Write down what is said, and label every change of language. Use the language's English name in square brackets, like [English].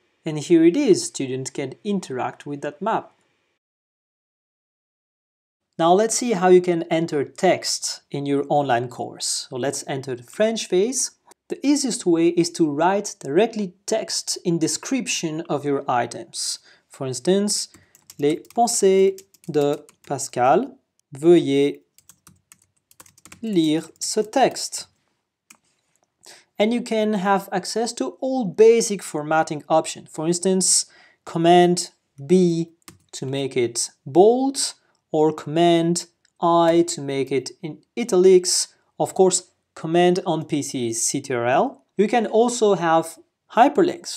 [English] And here it is, students can interact with that map. Now let's see how you can enter text in your online course. So let's enter the French phase. The easiest way is to write directly text in description of your items. For instance, [French] les pensées de Pascal, veuillez lire ce text. [English] And you can have access to all basic formatting options. For instance, command B to make it bold, or command I to make it in italics. Of course, command on PC is CTRL. You can also have hyperlinks.